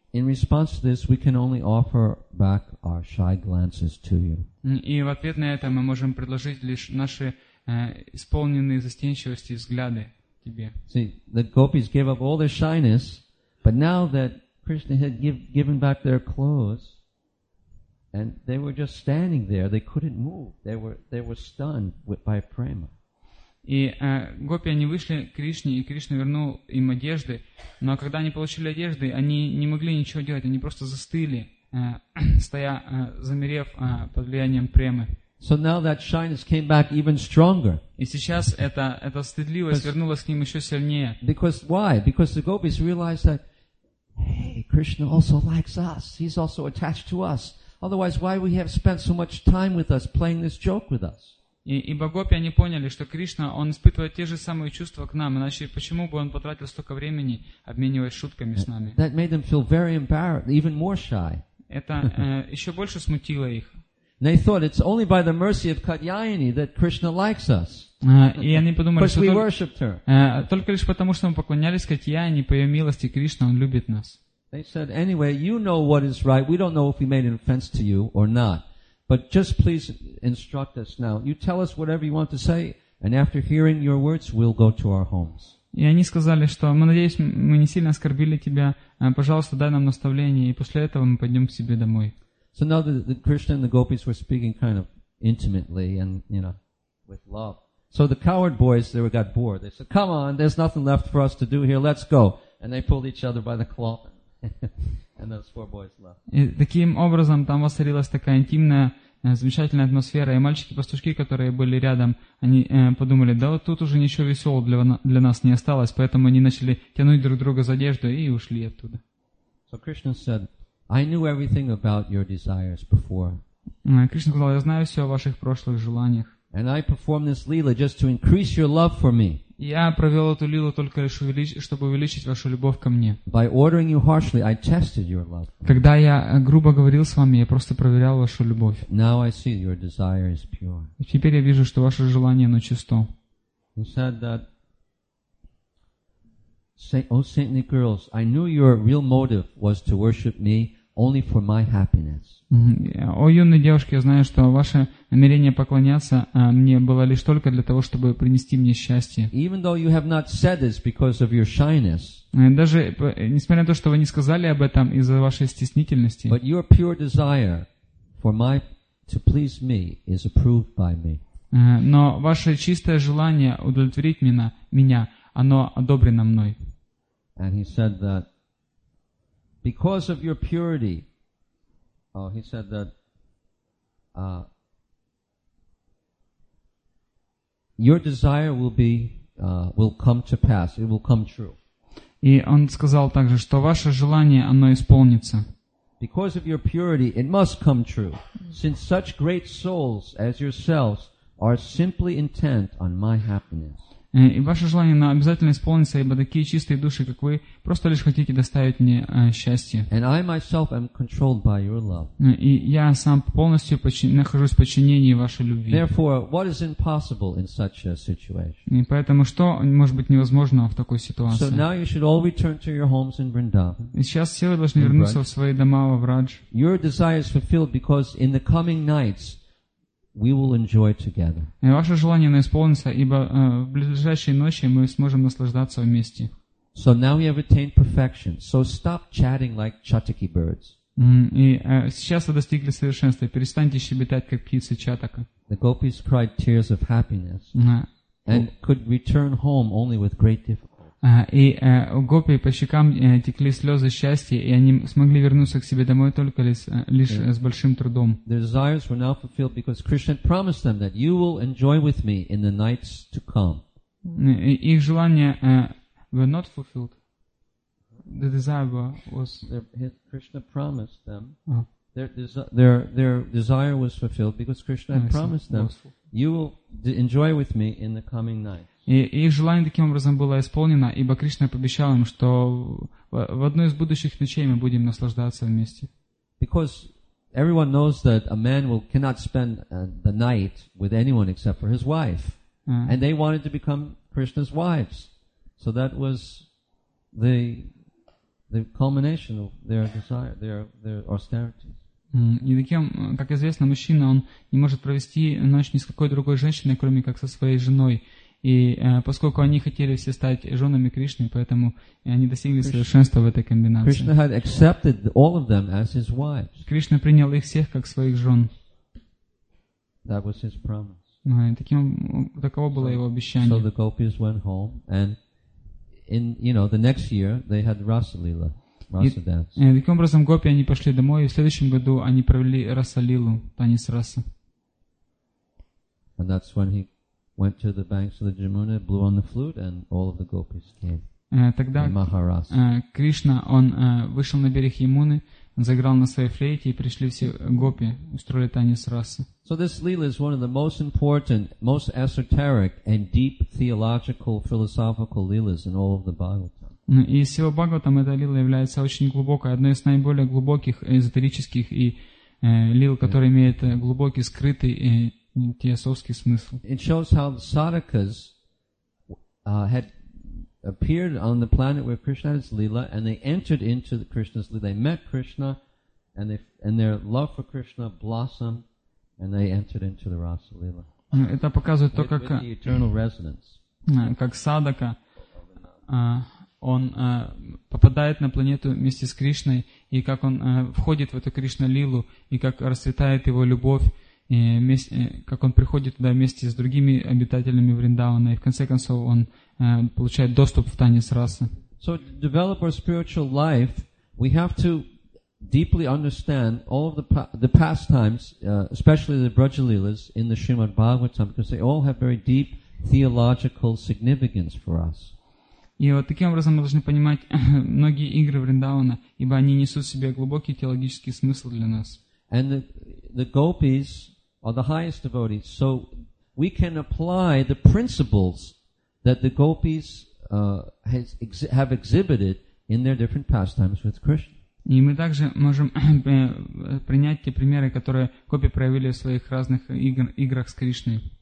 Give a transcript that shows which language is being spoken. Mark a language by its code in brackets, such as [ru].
[en] In response to this, we can only offer back our shy glances to you. [ru] И в ответ на это мы можем предложить лишь наши исполненные застенчивости взгляды тебе. [en] See, the gopis gave up all their shyness, but now that Krishna had given back their clothes, and they were just standing there, they couldn't move. They were stunned by prema. [ru] И гопи, они вышли к Кришне, и Кришна вернул им одежды. Но когда они получили одежды, они не могли ничего делать, они просто застыли, замерев под влиянием премы. [en] So now that shyness came back even stronger. [ru] И сейчас эта стыдливость вернулась к ним еще сильнее. [en] Because why? Because the gopis realized that, hey, Krishna also likes us. He's also attached to us. Otherwise, why would he have spent so much time with us, playing this joke with us? [ru] И гопи, они поняли, что Кришна, он испытывает те же самые чувства к нам, иначе почему бы он потратил столько времени, обмениваясь шутками с нами? [en] That made them feel very embarrassed, even more shy. [ru] Это еще больше смутило их. [en] They thought it's only by the mercy of Katyayani that Krishna likes us. [ru] И они подумали, [en] but we worshipped her. [ru] Только лишь потому, что мы поклонялись Катьяйани, по ее милости Кришна, он любит нас. [en] They said, anyway, you know what is right. We don't know if we made an offense to you or not. But just please instruct us now. You tell us whatever you want to say, and after hearing your words, we'll go to our homes. [ru] И они сказали, что мы надеемся, мы не сильно оскорбили тебя. Пожалуйста, дай нам наставление, и после этого мы пойдем к себе домой. [en] So now the Krishna and the gopis were speaking kind of intimately and, you know, with love. So the coward boys, they got bored. They said, come on, there's nothing left for us to do here. Let's go. And they pulled each other by the cloth. And those four boys left. [ru] И таким образом там воцарилась такая интимная, замечательная атмосфера, и мальчики-пастушки, которые были рядом, они подумали, да вот тут уже ничего веселого для нас не осталось, поэтому они начали тянуть друг друга за одежду и ушли оттуда. [en] So Krishna said, I knew everything about your desires before. [ru] Кришна сказал, я знаю все о ваших прошлых желаниях. [en] And I perform this lila just to increase your love for me. [ru] Я провел эту лилу только лишь чтобы увеличить вашу любовь ко мне. [en] By ordering you harshly, I tested your love. [ru] Когда я грубо говорил с вами, я просто проверял вашу любовь. [en] Now I see your desire is pure. [ru] Теперь я вижу, что ваше желание оно чисто. [en] He said that, oh saintly girls, I knew your real motive was to worship me only for my happiness. [ru] О, юные девушки, я знаю, что ваше намерение поклоняться мне было лишь только для того, чтобы принести мне счастье. [en] Even though you have not said this because of your shyness. [ru] Даже несмотря на то, что вы не сказали об этом из-за вашей стеснительности. [en] But your pure desire for my to please me is approved by me. [ru] Но ваше чистое желание удовлетворить меня, оно одобрено мной. [en] And he said that because of your purity. Oh, he said that your desire will come to pass. It will come true. [ru] И он сказал также, что ваше желание оно исполнится. [en] Because of your purity, it must come true, since such great souls as yourselves are simply intent on my happiness. [ru] И ваше желание оно обязательно исполнится, ибо такие чистые души, как вы, просто лишь хотите доставить мне счастье. [en] And I myself am controlled by your love. [ru] И я сам полностью нахожусь в подчинении вашей любви. [en] Therefore, what is impossible in such a situation? [ru] И поэтому что может быть невозможно в такой ситуации? [en] So now you should all return to your homes in Vrindavan. [ru] И сейчас все вы должны вернуться в свои дома во Врадж. [en] Your desire is fulfilled because in the coming nights we will enjoy together. [ru] И ваше желание исполнится, ибо в ближайшие ночи мы сможем наслаждаться вместе. [en] So now we have attained perfection. So stop chatting like chatuki birds. [ru] И сейчас вы достигли совершенства. Перестаньте щебетать, как птицы чатака. [en] The gopis cried tears of happiness and could return home only with great difficulty. [ru] И у гопи по щекам текли слезы счастья, и они смогли вернуться к себе домой только лишь с большим трудом. [en] Their desires were now fulfilled because Krishna promised them that you will enjoy with me in the nights to come. [ru] Их желания [en] were not fulfilled. The desire was. Krishna promised them. Their desire was fulfilled because Krishna had promised them, you will enjoy with me in the coming night. [ru] И их желание таким образом было исполнено, ибо Кришна пообещал им, что в одной из будущих ночей мы будем наслаждаться вместе. [en] Because everyone knows that a man cannot spend the night with anyone except for his wife. And they wanted to become Krishna's wives. So that was the culmination of their desire, their austerity. [ru] И таким, как известно, мужчина, он не может провести ночь ни с какой другой женщиной, кроме как со своей женой. И поскольку они хотели все стать женами Кришны, поэтому они достигли совершенства в этой комбинации. [en] Krishna had accepted all of them as his wives. [ru] Кришна принял их всех как своих жен. [en] That was his promise. [ru] Таково было его обещание. [en] So the gopis went home, and the next year they had Rasa Lila, Rasa dance. [ru] Таким образом гопи они пошли домой, и в следующем году они провели Раса Лилу, танец Раса. [en] And that's when he went to the banks of the Jamuna, blew on the flute, and all of the gopis came. [ru] Тогда Махарас. Кришна, он вышел на берег Ямуны, заиграл на своей флейте, и пришли все гопи, устроили танец Расы. [en] So this lila is one of the most important, most esoteric and deep theological, philosophical lilas in all of the Bhagavatam. [ru] И из всего Бхагаватам эта лила является очень глубокой, одной из наиболее глубоких эзотерических и лил, которая имеет глубокий скрытый теософский смысл. [en] It shows how the sadhakas had appeared on the planet where Krishna had his lila, and they entered into the Krishna's lila. They met Krishna, and their love for Krishna blossomed, and they entered into the Rasa lila. [ru] Это показывает то, как [en] the eternal resonance. [ru] Как садака, он попадает на планету вместе с Кришной, и как он входит в эту Кришна лилу, и как расцветает его любовь. И как он приходит туда вместе с другими обитателями Вриндавана, и в конце концов он получает доступ в танец расы. [en] So to develop our spiritual life, we have to deeply understand all of the pastimes, especially the Brajalilas in the Srimad Bhagavatam, because they all have very deep theological significance for us. [ru] И вот таким образом мы должны понимать многие игры Вриндавана, ибо они несут в себе глубокий теологический смысл для нас. [en] And the gopis are the highest devotees, so we can apply the principles that the gopis have exhibited in their different pastimes with Krishna. [ru] И мы также можем принять те примеры, которые гопи проявили в своих разных играх с Кришной.